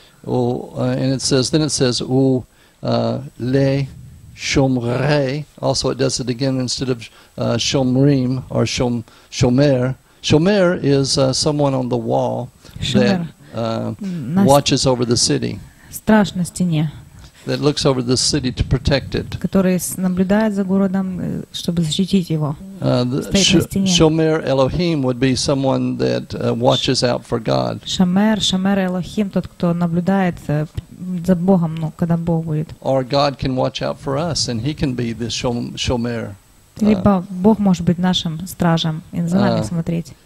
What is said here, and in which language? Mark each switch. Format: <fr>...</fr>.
<en>And it says. Then it says, le'shomrei. Also, it does it again instead of shomrim or shomer. Shomer is someone on the wall that watches over the city.</en> <ru>Страж на стене.</ru> <en>That looks over the city to protect it.</en> <ru>Который наблюдает за городом, чтобы защитить его.</ru> <en>Shomer Elohim would be someone that watches out for God.</en> <ru>Shomer Elohim, тот, кто наблюдает за Богом, ну, когда Бог будет.</ru> <en>Or God can watch out for us, and He can be the Shomer.</en> <ru>Либо Бог может быть нашим стражем и за нами смотреть.</ru>